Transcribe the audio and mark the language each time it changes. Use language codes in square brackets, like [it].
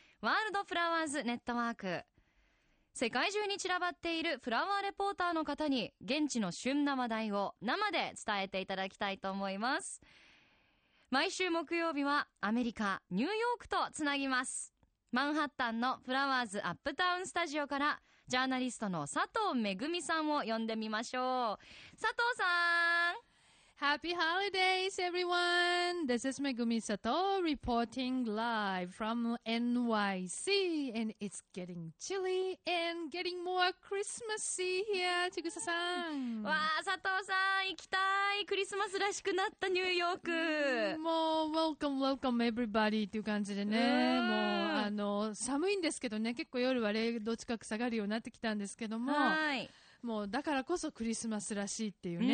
[ja] ワールドフラワーズネットワーク。世界中に散らばっているフラワーレポーターの方に現地の旬な話題を生で伝えていただきたいと思います。毎週木曜日はアメリカニューヨークとつなぎます。マンハッタンのフラワーズアップタウンスタジオからジャーナリストの佐藤めぐみさんを呼んでみましょう。佐藤さん、 [en] Happy holidays everyone. This is Megumi Sato reporting live from NYC and it's getting chilly and getting more Christmassy here. [ja] ちぐささん、わあ佐藤さん行きたい、クリスマスらしくなったニューヨーク。もう [en] welcome welcome everybody [ja] っていう感じでね、もう寒いんですけどね、結構夜は0度近く下がるようになってきたんですけども、はい、もうだからこそクリスマスらしいっていうね、